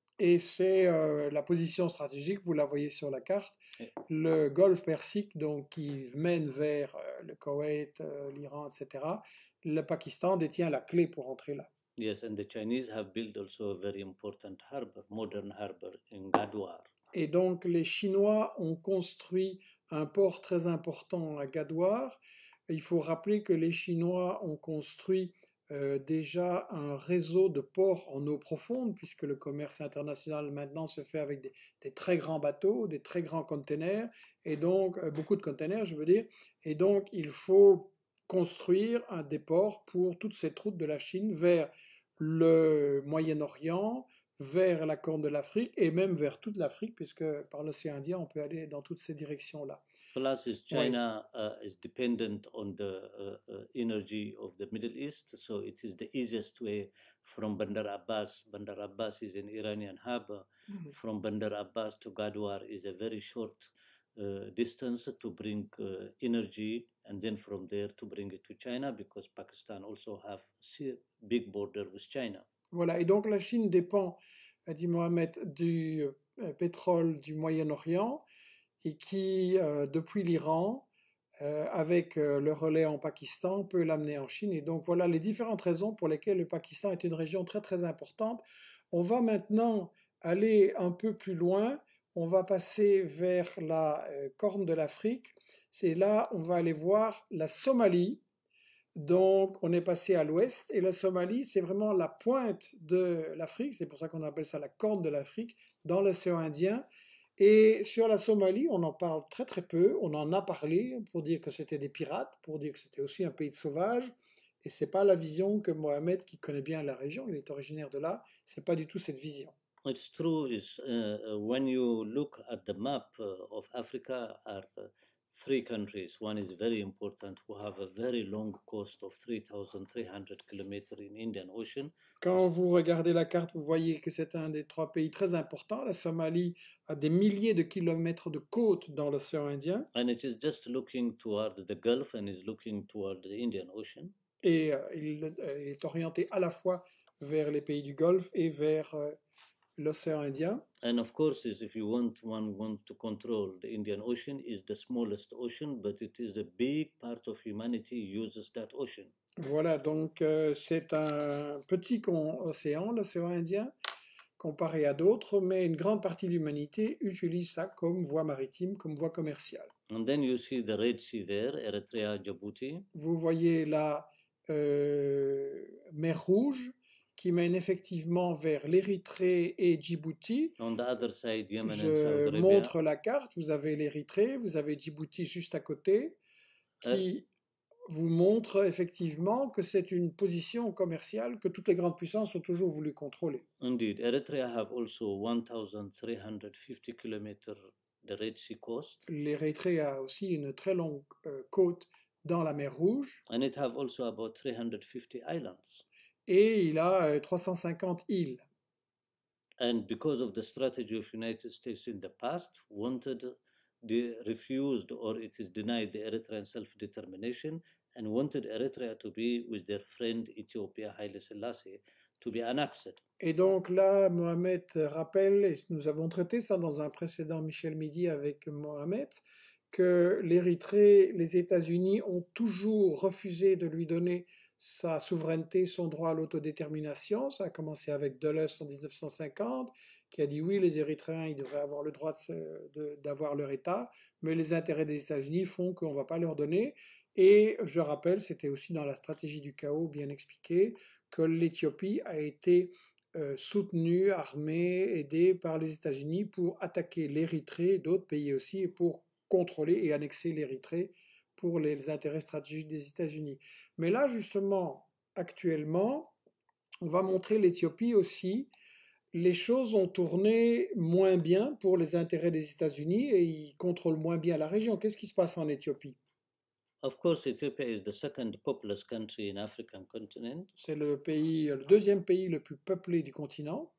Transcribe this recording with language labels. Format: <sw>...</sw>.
<fr>Et c'est la position stratégique, vous la voyez sur la carte, le Golfe Persique, donc qui mène vers le Koweït, l'Iran, etc. Le Pakistan détient la clé pour entrer là.</fr> <en>Yes, and the Chinese have built also a very important harbor, modern harbor in Gadwar.</en> <fr>Et donc les Chinois ont construit un port très important à Gadwar. Il faut rappeler que les Chinois ont construit déjà un réseau de ports en eau profonde, puisque le commerce international maintenant se fait avec des très grands bateaux, des très grands containers, et donc beaucoup de containers, je veux dire. Et donc il faut construire des ports pour toute cette route de la Chine vers le Moyen-Orient, vers la Corne de l'Afrique et même vers toute l'Afrique, puisque par l'océan Indien, on peut aller dans toutes ces directions-là.</fr> <en>Plus, is China is dependent on the energy of the Middle East, so it is the easiest way from Bandar Abbas. Bandar Abbas is an Iranian hub. From Bandar Abbas to Gadwar is a very short distance to bring energy, and then from there to bring it to China, because Pakistan also have big border with China.</en> <fr>Voilà, et donc la Chine dépend, dit Mohamed, du pétrole du Moyen-Orient et qui, depuis l'Iran, avec le relais en Pakistan, peut l'amener en Chine. Et donc voilà les différentes raisons pour lesquelles le Pakistan est une région très très importante. On va maintenant aller un peu plus loin. On va passer vers la Corne de l'Afrique. C'est là on va aller voir la Somalie. Donc, on est passé à l'ouest, et la Somalie, c'est vraiment la pointe de l'Afrique, c'est pour ça qu'on appelle ça la Corne de l'Afrique, dans l'océan Indien. Et sur la Somalie, on en parle très très peu, on en a parlé pour dire que c'était des pirates, pour dire que c'était aussi un pays de sauvages, et c'est pas la vision que Mohamed, qui connaît bien la région, il est originaire de là, c'est pas du tout cette vision.</fr> <en>It's true, is when you look at the map of Africa, three countries. One is very important, who have a very long coast of 3,300 kilometers in Indian Ocean.</en> <fr>Quand vous regardez la carte, vous voyez que c'est un des trois pays très importants. La Somalie a des milliers de kilomètres de côte dans l'océan Indien.</fr> <en>And it is just looking toward the Gulf and is looking toward the Indian Ocean.</en> <fr>Et il est orienté à la fois vers les pays du Golfe et vers l'océan Indien.</fr> <en>And of course, if you want, one want to control the Indian Ocean, is the smallest ocean, but it is a big part of humanity uses that ocean.</en> <fr>Voilà, donc c'est un petit océan, l'océan Indien, comparé à d'autres, mais une grande partie de l'humanité utilise ça comme voie maritime, comme voie commerciale.</fr> <en>And then you see the Red Sea there, Eritrea, Djibouti.</en> <fr>Vous voyez la mer Rouge, qui mène effectivement vers l'Érythrée et Djibouti.</fr> <en>On the other side, Yemen</en> <fr>Je</fr> <en>and Saudi Arabia.</en> <fr>Montre la carte, vous avez l'Érythrée, vous avez Djibouti juste à côté, qui vous montre effectivement que c'est une position commerciale que toutes les grandes puissances ont toujours voulu contrôler.</fr> <en>Indeed, Eritrea have also 1,350 kilometers the Red Sea coast.</en> <fr>L'Érythrée a aussi une très longue côte dans la mer Rouge.</fr> <en>And it have also about 350 islands.</en> <fr>Et il a 350 îles.</fr> <en>And because of the strategy of United States in the past, wanted the refused or it is denied the Eritrean self-determination and wanted Eritrea to be with their friend Ethiopia, Haile Selassie, to be annexed.</en> <fr>Et donc là, Mohamed rappelle, et nous avons traité ça dans un précédent Michel Midi avec Mohamed, que l'Érythrée, les États-Unis ont toujours refusé de lui donner sa souveraineté, son droit à l'autodétermination. Ça a commencé avec Dulles en 1950, qui a dit oui, les Érythréens, ils devraient avoir le droit d'avoir leur État, mais les intérêts des États-Unis font qu'on ne va pas leur donner. Et je rappelle, c'était aussi dans la stratégie du chaos bien expliqué, que l'Éthiopie a été soutenue, armée, aidée par les États-Unis pour attaquer l'Érythrée, d'autres pays aussi, et pour contrôler et annexer l'Érythrée pour les intérêts stratégiques des États-Unis. Mais là, justement, actuellement, on va montrer l'Éthiopie aussi. Les choses ont tourné moins bien pour les intérêts des États-Unis et ils contrôlent moins bien la région. Qu'est-ce qui se passe en Éthiopie?</fr> <en>Of course, Ethiopia is the second populous country in African continent.</en> <fr>C'est le pays, le deuxième pays le plus peuplé du continent.</fr>